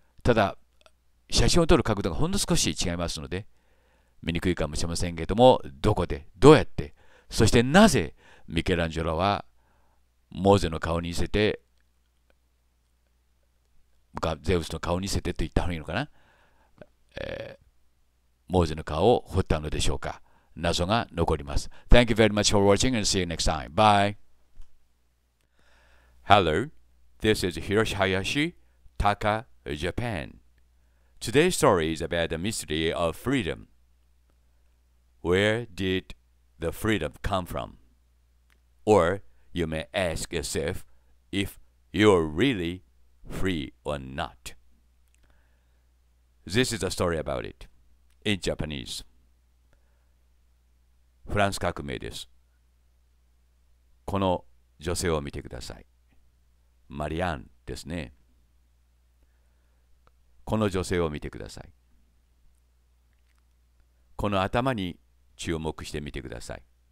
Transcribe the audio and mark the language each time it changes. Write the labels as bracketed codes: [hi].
[ja] ただ写真を撮る角度がほんの少し違いますので、見にくいかもしれませんけども、どこでどうやって、そしてなぜミケランジェロはモーゼの顔に似せて、ゼウスの顔に似せてと言った方がいいのかな、モーゼの顔を彫ったのでしょうか。謎が残ります。 [en] Thank you very much for watching and see you next time. Bye. Hello, this is Hiroshi Hayashi, Taka, Japan. Today's story is about the mystery of freedom. Where did the freedom come from? Or you may ask yourself if you're really free or not. This is a story about it in Japanese. [ja] フランス革命です。この女性を見てください。マリアンですね。この女性を見てください。この頭に注目してみてください。